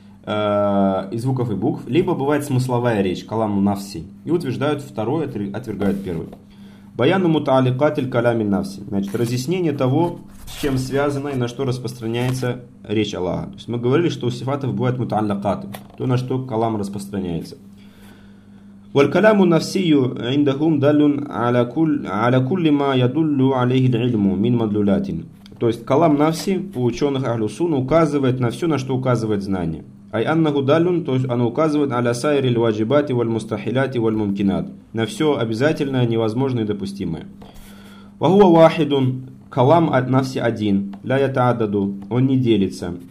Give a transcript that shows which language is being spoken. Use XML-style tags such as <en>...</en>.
<ru>Либо бывает смысловая речь, калам навси. И утверждают второе, отвергают первое. Баяну муталикатель калями навси. Значит, разъяснение того, с чем связано и на что распространяется речь Аллаха. То есть мы говорили, что у сифатов бывает муталикаты, то, на что калам распространяется.</ru> <ar>والكلام النفسي عندهم دل على كل ما يدل عليه العلم من مدلولات.</ar> <ru>То есть калам нафси у ученых Ахлю Сунна указывает на все, на что указывает знание. Ай аннаху далун, то есть оно указывает аля сайри ль-ваджибати валь-мустахиляти валь-мумкинат. На все обязательное, невозможное и допустимое. Ва хуа вахидун, калам нафси один, ля ятаададу, он не делится.</ru>